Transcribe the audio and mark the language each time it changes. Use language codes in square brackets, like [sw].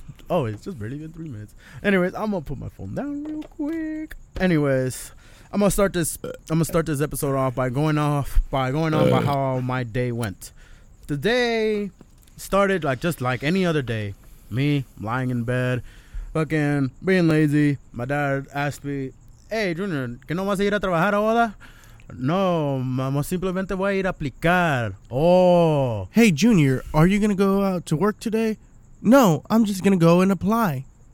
[en] Oh, it's just barely been 3 minutes. Anyways, I'm gonna put my phone down real quick. Anyways, I'm gonna start this episode off by going on by how my day went. The day started just like any other day. Me lying in bed, fucking being lazy. My dad asked me, hey, [es] Junior, ¿que no vas a ir a trabajar ahora? No, mamá, simplemente voy a ir a aplicar. Oh. [en] Hey, Junior, are you going to go out to work today? No, I'm just going to go and apply.